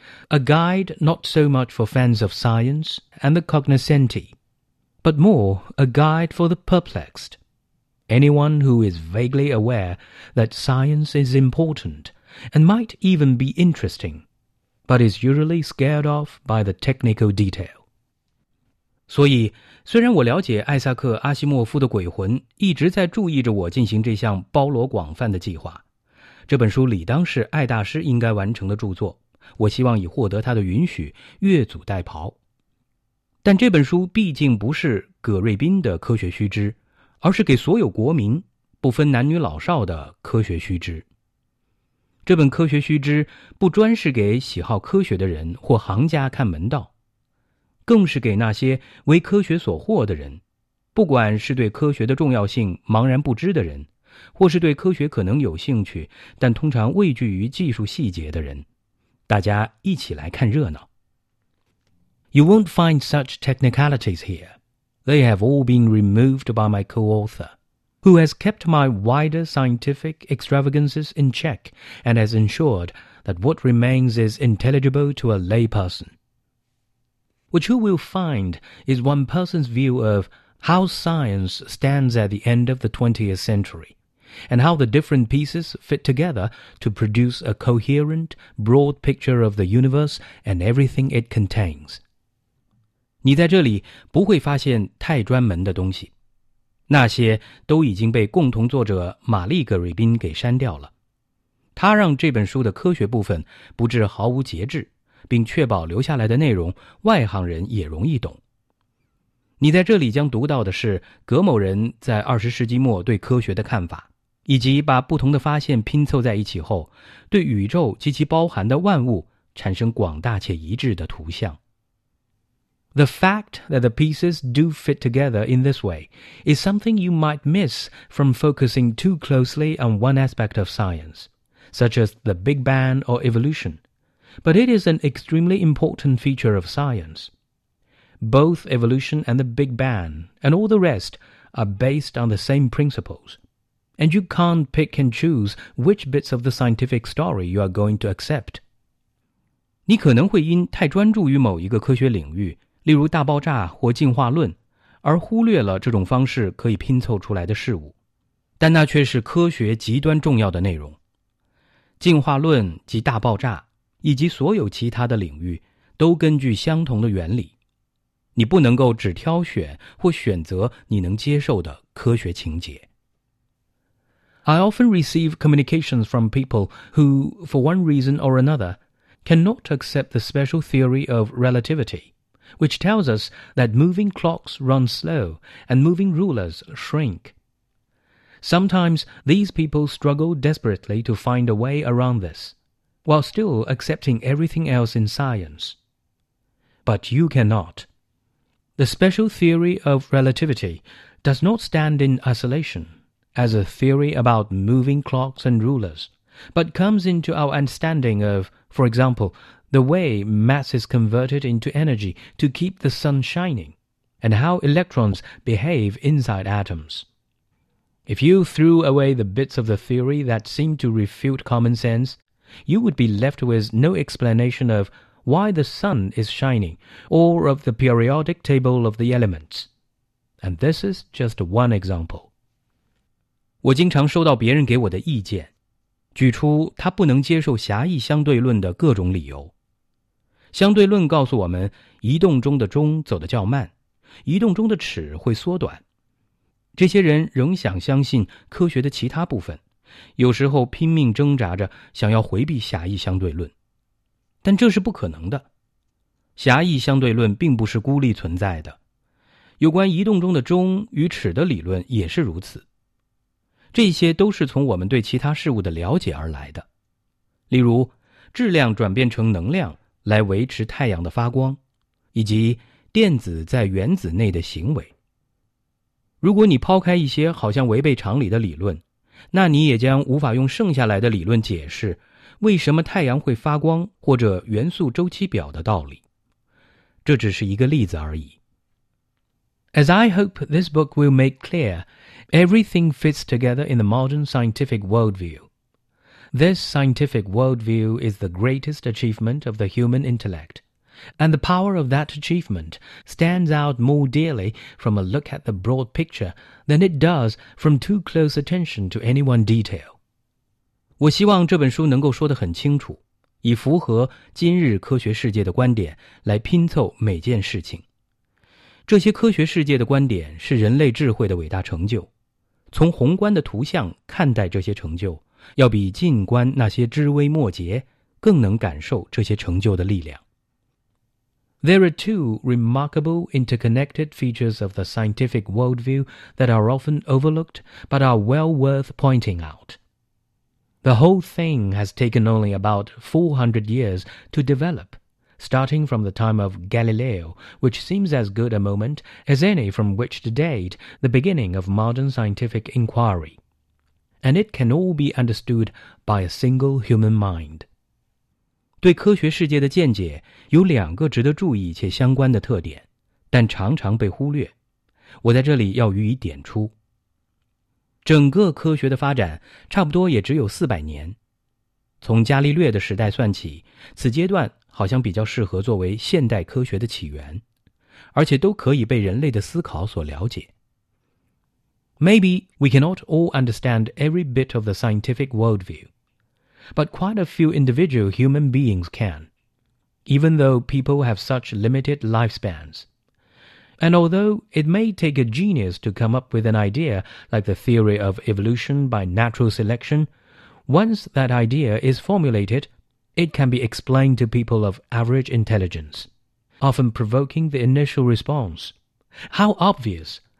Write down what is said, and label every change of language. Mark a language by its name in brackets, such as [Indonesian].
[English] A guide not so much for fans of science and the cognoscenti, but more a guide for the perplexed. Anyone who is vaguely aware that science is important and might even be interesting, but is usually scared off by the technical detail. [Chinese] 所以，虽然我了解艾萨克·阿西莫夫的鬼魂一直在注意着我进行这项包罗广泛的计划，这本书理当是艾大师应该完成的著作。我希望以获得他的允许越俎代庖，但这本书毕竟不是葛瑞宾的科学须知，而是给所有国民不分男女老少的科学须知。这本科学须知不专是给喜好科学的人或行家看门道，更是给那些为科学所惑的人，不管是对科学的重要性茫然不知的人，或是对科学可能有兴趣但通常畏惧于技术细节的人，大家一起来看热闹。 [English] You won't find such technicalities here. They have all been removed by my co-author, who has kept my wider scientific extravagances in check and has ensured that what remains is intelligible to a layperson. which you will find is one person's view of how science stands at the end of the 20th century, and how the different pieces fit together to produce a coherent, broad picture of the universe and everything it contains. [Chinese] 你在这里不会发现太专门的东西，那些都已经被共同作者玛丽·葛瑞宾给删掉了。他让这本书的科学部分不至毫无节制，并确保留下来的内容外行人也容易懂。你在这里将读到的是葛某人在20世纪末对科学的看法，以及把不同的发现拼凑在一起后，对宇宙及其包含的万物产生广大且一致的图像。 [English] The fact that the pieces do fit together in this way is something you might miss from focusing too closely on one aspect of science, such as the Big Bang or evolution. But it is an extremely important feature of science. Both evolution and the Big Bang and all the rest are based on the same principles. And you can't pick and choose which bits of the scientific story you are going to accept. [Chinese] 你可能会因太专注于某一个科学领域，例如大爆炸或进化论，而忽略了这种方式可以拼凑出来的事物，但那却是科学极端重要的内容。进化论及大爆炸以及所有其他的领域都根据相同的原理，你不能够只挑选或选择你能接受的科学情节。 [English] I often receive communications from people who, for one reason or another, cannot accept the special theory of relativityWhich tells us that moving clocks run slow and moving rulers shrink. Sometimes these people struggle desperately to find a way around this, while still accepting everything else in science. But you cannot. The special theory of relativity does not stand in isolation as a theory about moving clocks and rulers, but comes into our understanding of, for example,the way mass is converted into energy to keep the sun shining, and how electrons behave inside atoms. If you threw away the bits of the theory that seem to refute common sense, you would be left with no explanation of why the sun is shining, or of the periodic table of the elements. And this is just one example. [Chinese] 我经常收到别人给我的意见，举出他不能接受狭义相对论的各种理由。相对论告诉我们，移动中的钟走得较慢，移动中的尺会缩短。这些人仍想相信科学的其他部分，有时候拼命挣扎着想要回避狭义相对论，但这是不可能的。狭义相对论并不是孤立存在的，有关移动中的钟与尺的理论也是如此。这些都是从我们对其他事物的了解而来的，例如质量转变成能量来维持太阳的发光，以及电子在原子内的行为。如果你抛开一些好像违背常理的理论，那你也将无法用剩下来的理论解释为什么太阳会发光或者元素周期表的道理。这只是一个例子而已。 [English] As I hope this book will make clear, everything fits together in the modern scientific worldviewThis scientific worldview is the greatest achievement of the human intellect, and the power of that achievement stands out more dearly from a look at the broad picture than it does from too close attention to any one detail. [Chinese] 我希望这本书能够说得很清楚，以符合今日科学世界的观点来拼凑每件事情。这些科学世界的观点是人类智慧的伟大成就。从宏观的图像看待这些成就，要比近观那些枝微末节更能感受这些成就的力量。 [English] There are two remarkable interconnected features of the scientific worldview that are often overlooked but are well worth pointing out. The whole thing has taken only about 400 years to develop, starting from the time of Galileo, which seems as good a moment as any from which to date the beginning of modern scientific inquiry. And it can all be understood by a single human mind. [Chinese] 对科学世界的见解有两个值得注意且相关的特点，但常常被忽略。我在这里要予以点出。整个科学的发展差不多也只有400年。从伽利略的时代算起，此阶段好像比较适合作为现代科学的起源。而且都可以被人类的思考所了解。 [English] Maybe we cannot all understand every bit of the scientific worldview, but quite a few individual human beings can, even though people have such limited lifespans. And although it may take a genius to come up with an idea like the theory of evolution by natural selection, once that idea is formulated, it can be explained to people of average intelligence, often provoking the initial response. How obvious!